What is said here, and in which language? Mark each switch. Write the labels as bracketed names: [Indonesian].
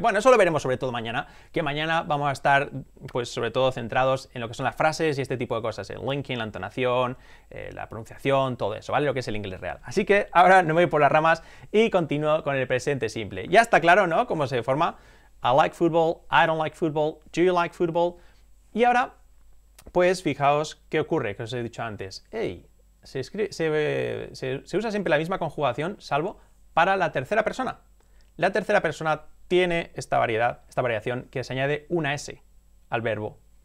[Spanish] Bueno, eso lo veremos sobre todo mañana, que mañana vamos a estar, pues, sobre todo centrados en lo que son las frases y este tipo de cosas, el linking, la entonación, la pronunciación, todo eso, ¿vale? Lo que es el inglés real. Así que ahora no me voy por las ramas y continúo con el presente simple. Ya está claro, ¿no? Cómo se forma. [English] I like football, I don't like football, do you like football? [Spanish] Y ahora, pues, fijaos qué ocurre, que os he dicho antes. Hey, se usa siempre la misma conjugación, salvo para la tercera persona. La tercera persona tiene esta variación que se añade una S al verbo.